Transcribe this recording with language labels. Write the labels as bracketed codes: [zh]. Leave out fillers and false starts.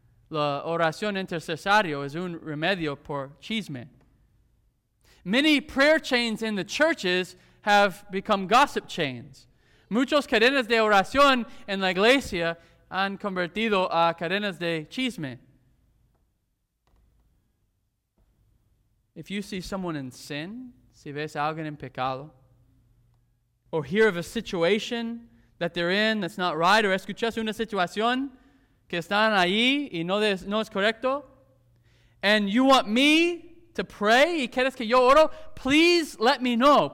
[es] La oración intercesario es un remedio por chisme. [en] Many prayer chains in the churches have become gossip chains. [es] Muchos cadenas de oración en la iglesia han convertido a cadenas de chisme. [en] If you see someone in sin, [es] si ves a alguien en pecado, [en] or hear of a situation that they're in that's not right, or [es] escuchas una situación que están ahí y no es correcto, [en] and you want me to pray [es] y quieres que yo oro, [en] please let me know.